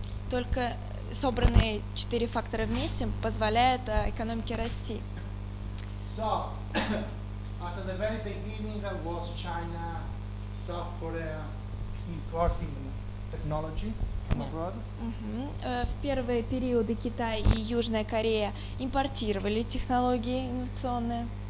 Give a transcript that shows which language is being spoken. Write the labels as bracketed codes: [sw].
[ru] Только собранные четыре фактора вместе позволяют экономике расти. [en] But at the very beginning was China, South Korea importing technology from abroad. Mm-hmm. [ru] В первые периоды Китай и Южная Корея импортировали технологии инновационные.